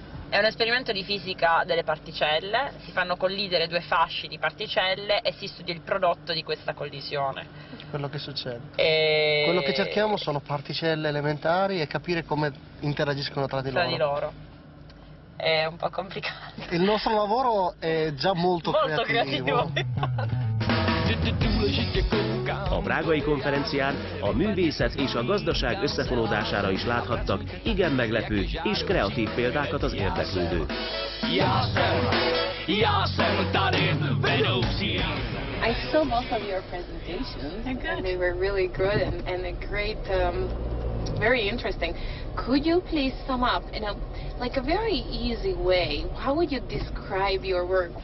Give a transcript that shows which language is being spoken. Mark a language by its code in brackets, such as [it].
[it] È un esperimento di fisica delle particelle, si fanno collidere due fasci di particelle e si studia il prodotto di questa collisione. Quello che succede. Quello che cerchiamo sono particelle elementari e capire come interagiscono tra di loro. È un po' complicato. Il nostro lavoro è già molto, molto creativo. [hu] A prágai konferencián a művészet és a gazdaság összefonódására is láthattak igen meglepő és kreatív példákat az érdeklődők. [en] I saw both of your presentations, and they were really good and a great, very interesting. Could you please sum up in a like a very easy way? How would you describe your work?